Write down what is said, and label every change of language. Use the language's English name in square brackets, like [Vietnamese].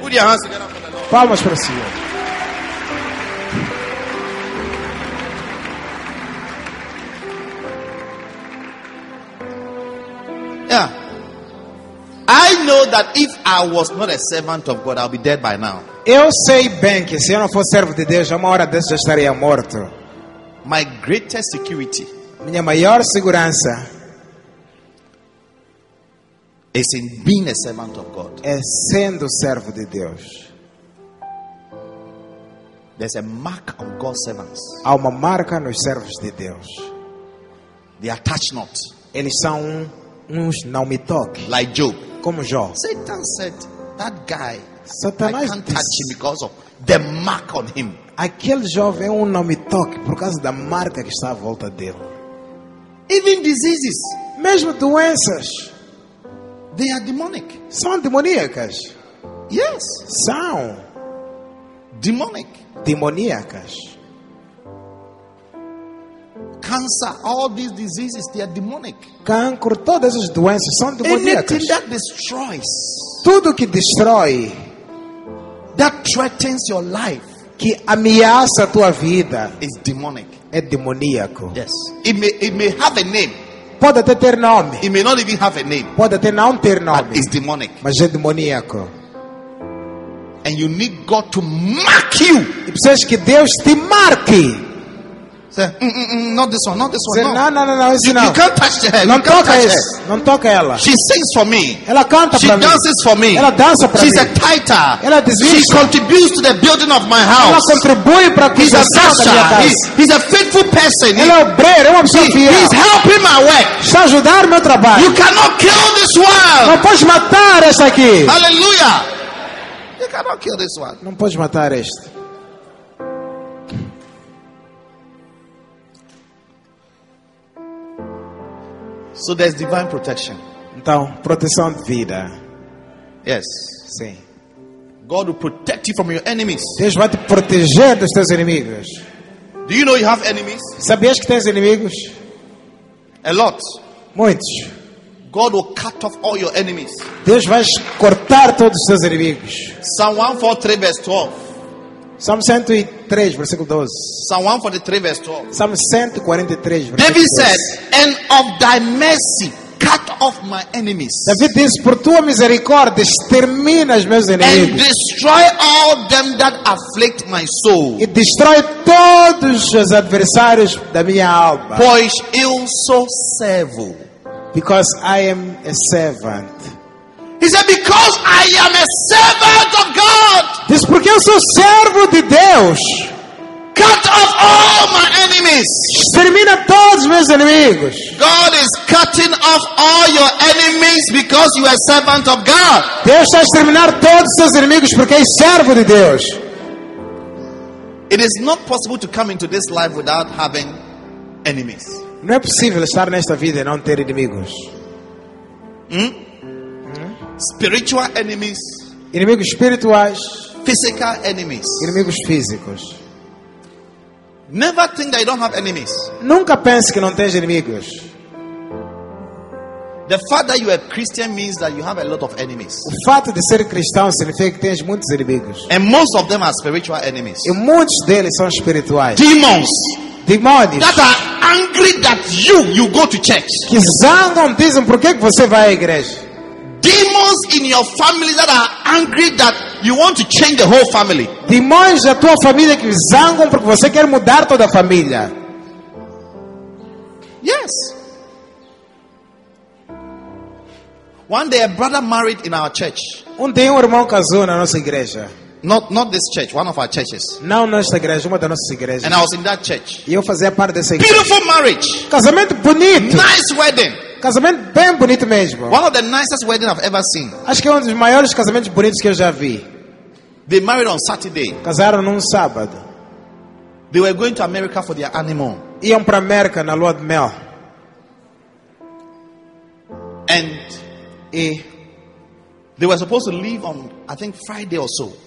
[English] Put your hands together for the Lord. [Portuguese] Palmas para o Senhor. [English] Yeah. I know that if I was not a servant of God, I'll be dead by now. [Portuguese] Eu sei bem que se eu não for servo de Deus, uma hora dessa já estaria morto. [English] My greatest security. [Portuguese] Minha maior segurança. [English] Is in being a servant of God. [Portuguese] É sendo servo de Deus. [English] There's a mark on God's servants. [Portuguese] Há uma marca nos servos de Deus. [English] They attach not. [Portuguese] Eles são uns não me toque. [English] Like Job. [Portuguese] Como Jó. [English] Satan said, that guy, [Portuguese] Satanás, [English] I can't touch him because of the mark on him. [Portuguese] Aquele jovem um não me toque por causa da marca que está à volta dele. [English] Even diseases. [Portuguese] Mesmo doenças. [English] They are demonic. [Portuguese] São demoníacas. [English] Yes. [Portuguese] São. [English] Demonic. [Portuguese] Demoníacas. [English] Cancer, all these diseases, they are demonic. [Portuguese] Câncer, todas essas doenças são demoníacas. [English] Anything that destroys. [Portuguese] Tudo que destrói. [English] That threatens your life. [Portuguese] que ameaça a tua vida [English] is demonic. [Portuguese] É demoníaco. [English] Yes. It may have a name. [Portuguese] Pode até ter nome. [English] It may not even have a name. [Portuguese] Pode até não ter nome. [English] But it's demonic. [Portuguese] Mas é demoníaco. [English] And you need God to mark you. [Portuguese] E precisas que Deus te marque. [English] Not this one. You can't touch her. [Portuguese] Não toca [English] her. [Portuguese] Não toca ela. [English] She sings for me. [Portuguese] Ela canta para mim. [English] She dances for me. [Portuguese] Ela dança para mim. [English] She's a tighter. [Portuguese] Ela desvista. [English] She contributes to the building of my house. [Portuguese] Ela contribui para a construção da minha casa. [English] He's a faithful person. [Portuguese] Ele é obreiro, é uma pessoa fiel. [English] He's helping my work. [Portuguese] Está ajudando meu trabalho. [English] You cannot kill this one. [Portuguese] Não pode matar esta aqui. [English] Hallelujah. You cannot kill this one. [Portuguese] Não pode matar este. [English] So there's divine protection. [Portuguese] Então, proteção de vida. [English] Yes. [Portuguese] Sim. [English] God will protect you from your enemies. [Portuguese] Deus vai te proteger dos teus inimigos. [English] Do you know you have enemies? [Portuguese] Sabias que tens inimigos? [English] A lot. [Portuguese] Muitos. [English] God will cut off all your enemies. [Portuguese] Deus vai cortar todos os teus inimigos. [English] Psalm 143 verse 12. [Portuguese] Salmo 103, versículo 12. [English] Psalm 143, verse 12. [Portuguese] Salmo 143, versículo 12. [English] David said, and of thy mercy cut off my enemies. [Portuguese] David diz, por tua misericórdia, extermina os meus inimigos. [English] And destroy all them that afflict my soul. [Portuguese] E destrói todos os adversários da minha alma. Pois eu sou servo. [English] Because I am a servant. He said, because I am a servant of God. [Portuguese] Diz, porque eu sou servo de Deus. [English] Cut off all my enemies. [Portuguese] Extermina todos os meus inimigos. [English] God is cutting off all your enemies because you are a servant of God. [Portuguese] Deus está exterminando todos os seus inimigos porque é servo de Deus. [English] It is not possible to come into this life without having enemies. [Portuguese] Não é possível estar nesta vida e não ter inimigos. [English] Spiritual enemies, [Portuguese] inimigos espirituais, [English] physical enemies, [Portuguese] inimigos físicos. [English] Never think that you don't have enemies. [Portuguese] Nunca pense que não tens inimigos. [English] The fact that you are Christian means that you have a lot of enemies. [Portuguese] O fato de ser cristão significa que tens muitos inimigos. [English] And most of them are spiritual enemies. [Portuguese] E muitos deles são espirituais. [English] Demons. [Portuguese] Demônios. [English] That are angry that you go to church. [Portuguese] Que zangam, dizem, por que você vai à igreja? [English] Demons in your family that are angry that you want to change the whole family. [Portuguese] Demônios da tua família que zangam porque você quer mudar toda a família. [English] Yes. One day a brother married in our church. [Portuguese] Dia um irmão casou na nossa igreja. [English] Not this church, one of our churches. [Portuguese] Não nesta igreja, uma das nossas igrejas. [English] And I was in that church. [Portuguese] E eu fazia parte dessa igreja. [English] Beautiful marriage. [Portuguese] Casamento bonito. [English] Nice wedding. [Portuguese] Casamento bem bonito mesmo. [English] One of the nicest weddings I've ever seen. [Portuguese] Acho que é um dos maiores casamentos bonitos que eu já vi. [English] They married on Saturday. [Portuguese] Casaram num sábado. [English] They were going to America for their honeymoon. [Portuguese] Iam para América na lua de mel. [English] And they were supposed to leave on, I think, Friday or so.